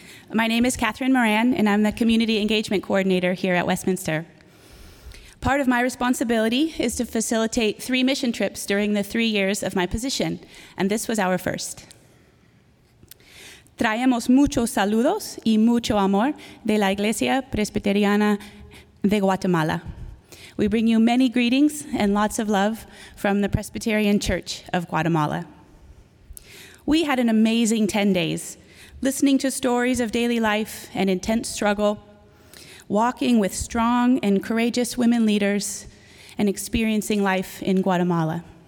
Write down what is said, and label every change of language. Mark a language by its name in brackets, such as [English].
[English] My name is Catherine Moran, and I'm the Community Engagement Coordinator here at Westminster. Part of my responsibility is to facilitate 3 mission trips during the 3 years of my position, and this was our first. [Spanish] Traemos muchos saludos y mucho amor de la Iglesia Presbiteriana de Guatemala. [English] We bring you many greetings and lots of love from the Presbyterian Church of Guatemala. We had an amazing 10 days, listening to stories of daily life and intense struggle, walking with strong and courageous women leaders, and experiencing life in Guatemala.